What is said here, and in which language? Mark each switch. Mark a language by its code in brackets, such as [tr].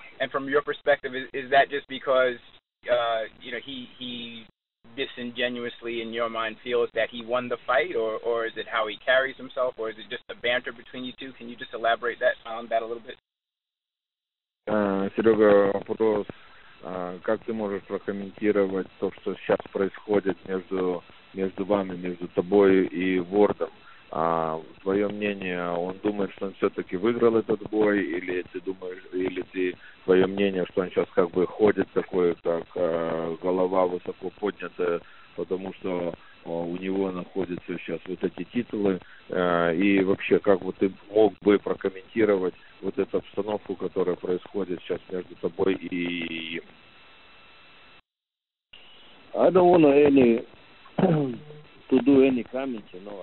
[en] And from your perspective, is that just because he disingenuously, in your mind, feels that he won the fight, or is it how he carries himself, or is it just the banter between you two? Can you just elaborate that on that a little bit? [ru] Серега, вопрос. Как ты можешь прокомментировать то, что сейчас происходит между вами, между тобой и Вордом? Твое мнение, он думает, что он все-таки выиграл этот бой, или ты думаешь, или ты, твое мнение, что он сейчас как бы ходит такой, как голова высоко поднятая, потому что у него находятся сейчас вот эти титулы, и вообще, как бы ты мог бы прокомментировать вот эту обстановку, которая происходит сейчас между тобой и им? [en] I don't want any to do any comments, you know.